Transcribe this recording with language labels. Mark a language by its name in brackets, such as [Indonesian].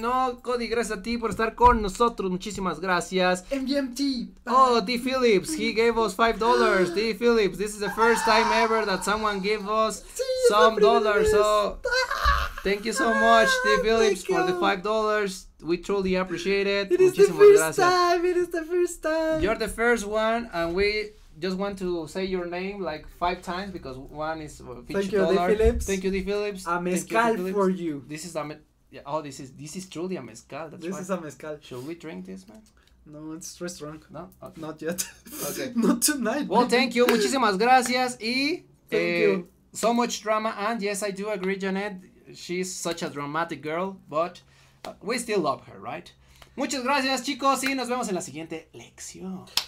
[Spanish] No, Cody, gracias a ti por estar con nosotros. Muchísimas gracias. MGMT. [English] Oh, D. Phillips. He gave us $5. D. Phillips, this is the first time ever that someone gave us some dollars. So, thank you so much, D. Phillips, for the $5. We truly appreciate it. It is the first time. You're the first one, and we just want to say your name like 5 times because one is Thank you, D. Phillips. A mezcal for you. This is a this is truly a mezcal. This is a mezcal. Should we drink this, man? No, it's too strong. No, okay. Not yet. Okay. Not tonight. Well, thank you. [Spanish] Muchísimas gracias. [English] Thank you. So much drama, and yes, I do agree, Janet. She's such a dramatic girl, but we still love her, right? [Spanish] Muchas gracias, chicos, y nos vemos en la siguiente lección.